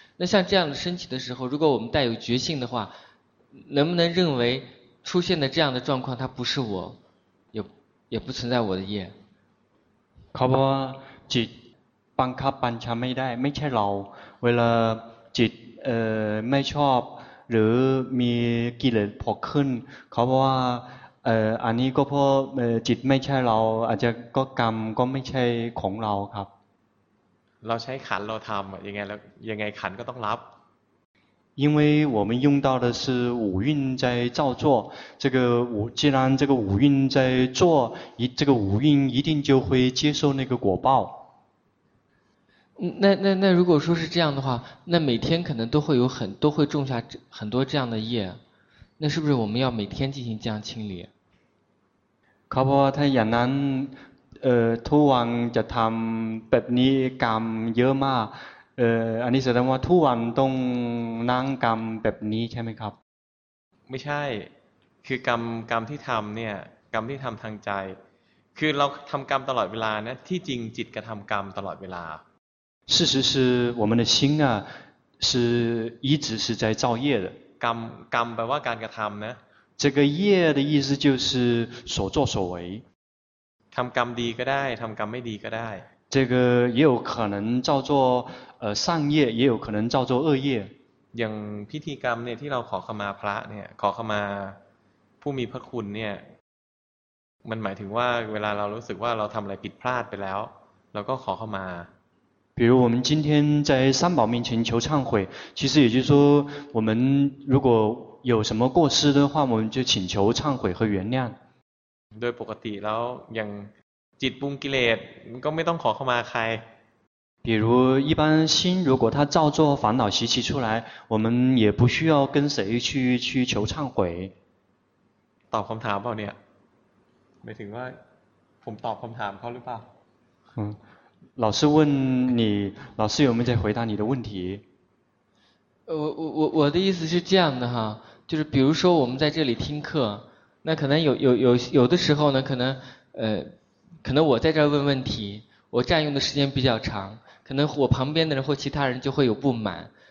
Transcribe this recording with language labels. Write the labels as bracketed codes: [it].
[zh] 那像这样的升起的时候，如果我们带有觉性的话，能不能认为出现的这样的状况它不是我，也不存在我的业？可不，只 [th] บังคับบัญชาไม่ได้ไม่ใช่เราเวลาจิตไม่ชอบหรือมีกิเลสพอขึ้นเขาบอกว่าอันนี้ก็เพราะจิตไม่ใช่เราอาจจะก็กรรมก็ไม่ใช่ของเราครับ เราใช้ขันเราทำยังไงแล้วยังไงขันก็ต้องรับ [zh] 因为我们用到的是五蕴在造作这个五既然这个五蕴在做这个五蕴一定就会接受那个果报那如果说是这样的话，那每天可能都会种下很多这样的业，那是不是我们要每天进行这样清理？ [th] ครับ ถ้าอย่างนั้น ทุกวันจะทำแบบนี้กรรมเยอะมาก อันนี้แสดงว่าทุกวันต้องนั่งกรรมแบบนี้ใช่ไหมครับ ไม่ใช่คือกรรมที่ทำเนี่ยกรรมที่ทำทางใจคือเราทำกรรมตลอดเวลานะที่จริงจิตกระทำกรรมตลอดเวลา [zh] 事实是我们的心啊是一直是在造业的 [th] กรรมแปลว่าการกระทำนะ [zh] 这个业的意思就是所作所为 [th] ทำกรรมดีก็ได้ทำกรรมไม่ดีก็ได้ [zh] 这个也有可能造作善业也有可能造作恶业 [th] อย่างพิธีกรรมเนี่ยที่เราขอขมาพระเนี่ยขอขมาผู้มีพระคุณเนี่ยมันหมายถึงว่าเวลาเรารู้สึกว่าเราทำอะไรผิดพลาดไปแล้วเราก็ขอขมา [zh] 比如我们今天在三宝面前求忏悔，其实也就是说，我们如果有什么过失的话，我们就请求忏悔和原谅。 [th] โดยปกติแล้วอย่างจิตปรุงกิเลสก็ไม่ต้องขอขมาใคร。 [zh] 比如一般心如果它造作烦恼习气出来，我们也不需要跟谁去求忏悔。 [th] ตอบคำถามเปล่าเนี่ย？ ไม่ถึงว่าผมตอบคำถามเขาหรือเปล่า？ [zh] 老师问你，老师有没有在回答你的问题？我的意思是这样的哈，就是比如说我们在这里听课，那可能有的时候呢，可能我在这儿问问题，我占用的时间比较长，可能我旁边的人或其他人就会有不满。